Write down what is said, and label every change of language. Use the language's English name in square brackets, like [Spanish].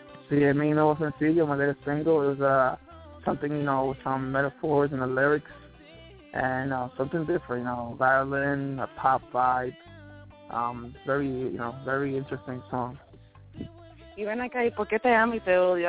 [Spanish] Sí, es mi nuevo sencillo, [English] my latest single. It's something, you know, with some metaphors and the lyrics, and something different, you know, violin, a pop vibe, very, you know, very interesting song. [Spanish] Y ven acá, ¿y por qué te amo y te odio?